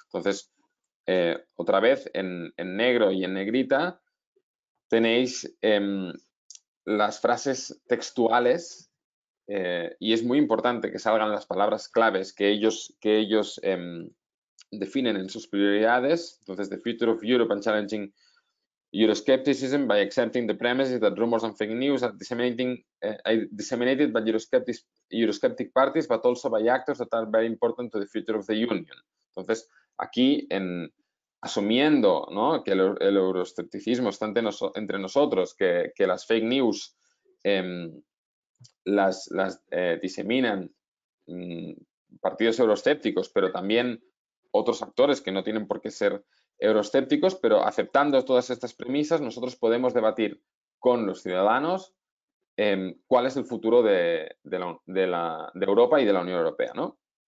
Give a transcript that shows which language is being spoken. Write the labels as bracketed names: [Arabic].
[Spanish] Entonces, otra vez, en negro y en negrita, tenéis las frases textuales, y es muy importante que salgan las palabras claves que ellos definen en sus prioridades. [English] Entonces, the future of Europe and challenging Euroscepticism by accepting the premises that rumors and fake news are disseminated by Eurosceptic parties, but also by actors that are very important to the future of the Union. [Spanish] Entonces, aquí, asumiendo, ¿no?, que el euroscepticismo está entre nosotros, que las fake news las diseminan partidos euroscépticos, pero también otros actores que no tienen por qué ser euroscépticos, pero aceptando todas estas premisas, nosotros podemos debatir con los ciudadanos cuál es el futuro de Europa y de la Unión Europea, ¿no?